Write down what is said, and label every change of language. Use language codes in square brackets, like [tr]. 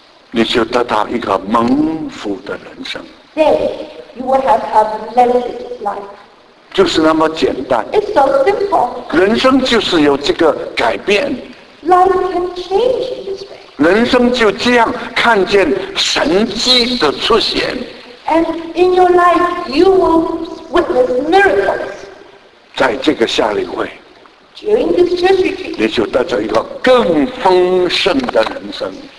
[zh] 你就得到一个蒙福的人生, [en] then you will have a blessed life. [zh] 就是那么简单, [en] it's so simple. [zh] 人生就是有这个改变, [en] life can change in this way. [zh] 人生就这样看见神迹的出现, [en] and in your life you will witness miracles. [zh] 在这个夏令会, [en] during this church retreat, [zh] 你就得到一个更丰盛的人生,